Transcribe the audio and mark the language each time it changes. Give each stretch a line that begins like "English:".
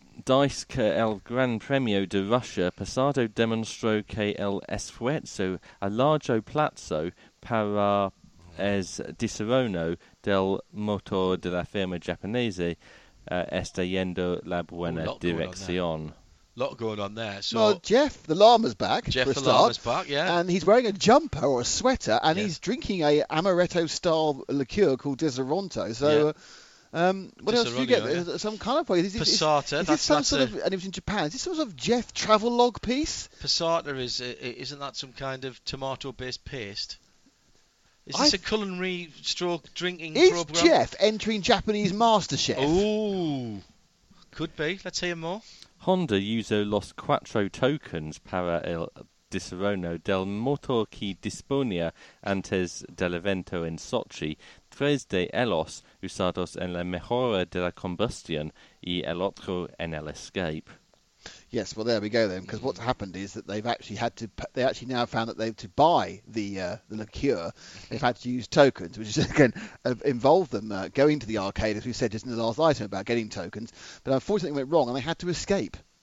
Spanish: Dice el Gran Premio de Russia, Passado demostró que el esfuerzo a largo plazo para el desarrollo del motor de la firma japonesa está yendo la buena dirección.
English: A lot going on there. So well, Jeff, the llama's back. Jeff, for a the start, llama's back, yeah. And he's wearing a jumper or a sweater, and he's drinking a amaretto-style liqueur called Disaronto. So. Yeah. What else do you get? Yeah. Some kind of point. Passata. And it was in Japan. Is this some sort of Jeff travelogue piece? Passata is. Isn't that some kind of tomato based paste? Is this a culinary stroke drinking is program? Is Jeff entering Japanese MasterChef? Ooh. Could be. Let's hear more.
Spanish: Honda usó los cuatro tokens para el desarrollo del motor que disponía antes del evento en Sochi. Tres de ellos usados en la mejora de la combustión y el otro en el escape.
English: Yes, well, there we go then, because what's happened is that they've actually had to, they actually now found that they've to buy the liqueur, they've had to use tokens, which is, again, involved them going to the arcade, as we said just in the last item about getting tokens, but unfortunately it went wrong and they had to escape.